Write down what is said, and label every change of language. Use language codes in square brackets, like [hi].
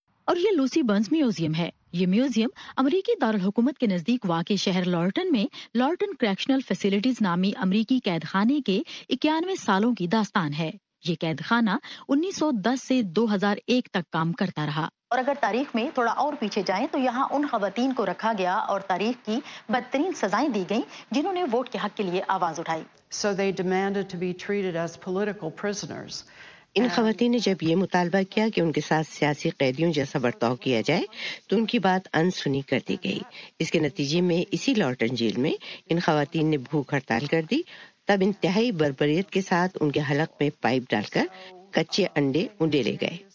[ur] اور یہ لوسی burns museum ہے۔ یہ میوزیم امریکی دارالحکومت کے نزدیک واقع شہر لارٹن میں لارٹن کریکشنل فیسیلٹیز نامی امریکی قید خانے کے 91 سالوں کی داستان ہے۔ یہ قید خانہ 1910 سے 2001 تک کام کرتا رہا۔ اور اگر تاریخ میں تھوڑا اور پیچھے جائیں تو یہاں ان خواتین کو رکھا گیا اور تاریخ کی بدترین سزائیں دی گئیں جنہوں نے ووٹ کے حق کے لیے آواز اٹھائی۔ [en] So they demanded to be treated as political prisoners [ur] ان خواتین نے جب یہ مطالبہ کیا کہ ان کے ساتھ سیاسی قیدیوں جیسا برتاؤ کیا جائے تو ان کی بات انسنی کر دی گئی۔ اس کے نتیجے میں اسی لارٹن جیل میں ان خواتین نے بھوک ہڑتال کر دی، تب انتہائی بربریت کے ساتھ ان کے حلق میں پائپ ڈال کر کچے انڈے انڈے لے گئے۔